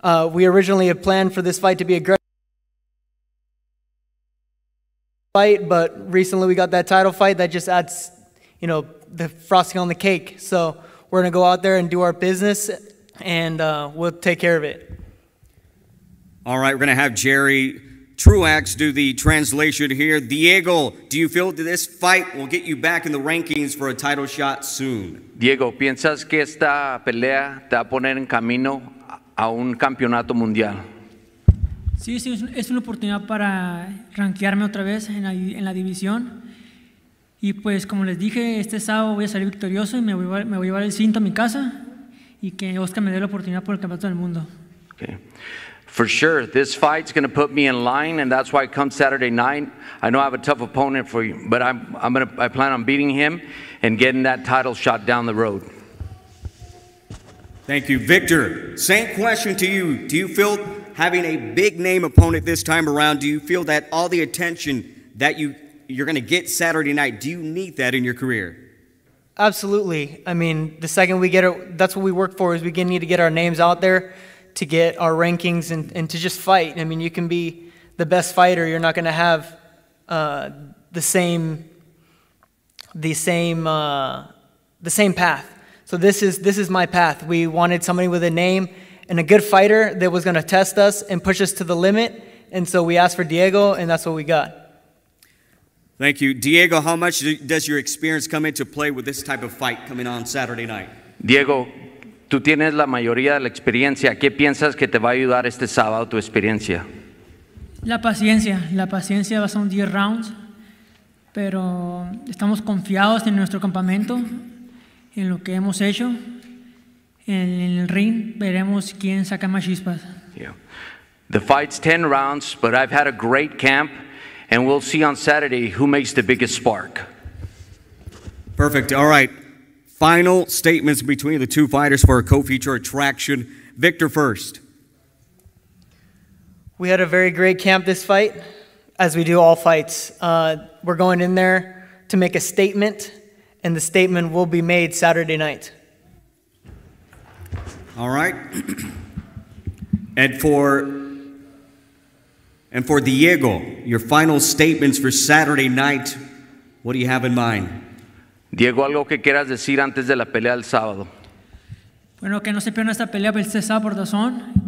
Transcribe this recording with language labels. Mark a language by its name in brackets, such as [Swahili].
[English] We originally had planned for this fight to be a great fight, but recently we got that title fight that just adds, you know, the frosting on the cake. So we're going to go out there and do our business, and we'll take care of it. All right, we're going to have Jerry Truax do the translation here. Diego, do you feel that this fight will get you back in the rankings for a title shot soon? [Spanish] Diego, ¿piensas que esta pelea te va a poner en camino a un campeonato mundial? Sí, sí, es una oportunidad para rankearme otra vez en la división. Y pues, como les dije, este sábado voy a salir victorioso y me voy a llevar el cinto a mi casa y que Oscar me dé la oportunidad por el campeonato del mundo. [English] Okay. For sure, this fight's going to put me in line, and that's why come Saturday night, I know I have a tough opponent for you, but I plan on beating him and getting that title shot down the road. Thank you. Victor, same question to you. Do you feel having a big-name opponent this time around, do you feel that all the attention that you're going to get Saturday night, do you need that in your career? Absolutely. I mean, the second we get it, that's what we work for, is we need to get our names out there to get our rankings and to just fight. I mean, you can be the best fighter. You're not going to have the same path. So this is my path. We wanted somebody with a name and a good fighter that was going to test us and push us to the limit. And so we asked for Diego, and that's what we got. Thank you. Diego, how much does your experience come into play with this type of fight coming on Saturday night? [Spanish] Diego, tú tienes la mayoría de la experiencia. ¿Qué piensas que te va a ayudar este sábado tu experiencia? La paciencia va a ser 10 rounds, pero estamos confiados en nuestro campamento, en lo que hemos hecho. En el ring, veremos quién saca más chispas. [English] Yeah. The fight's 10 rounds, but I've had a great camp, and we'll see on Saturday who makes the biggest spark. Perfect. All right. Final statements between the two fighters for a co-feature attraction. Victor first. We had a very great camp this fight, as we do all fights. We're going in there to make a statement, and the statement will be made Saturday night. All right. And for Diego, your final statements for Saturday night, what do you have in mind? [Spanish] Diego, algo que quieras decir antes de la pelea del sábado. Bueno, que no se pierda esta pelea este sábado por DAZN.